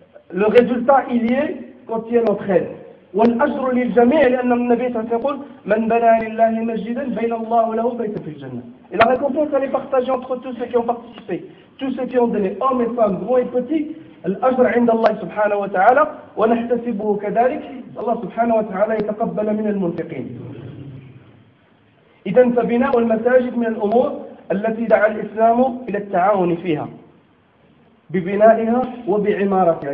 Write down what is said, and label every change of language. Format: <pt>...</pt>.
<fr>Le résultat, il y est quand il y a l'entraide.</fr> <ar>والأجر للجميع لأن النبي صلى الله عليه وسلم من بنى لله مسجدا بين الله وله بيت في الجنة.</ar> <fr>Et la récompense elle est partagée entre tous ceux qui ont participé, tous ceux qui ont donné, hommes et femmes, grands et petits.</fr> <ar>الأجر عند الله سبحانه وتعالى ونحتسبه كذلك. الله سبحانه وتعالى يتقبل من المنفقين. إذن فبناء المساجد من الأمور التي دعا الإسلام إلى التعاون فيها ببنائها وبعمارتها.</ar>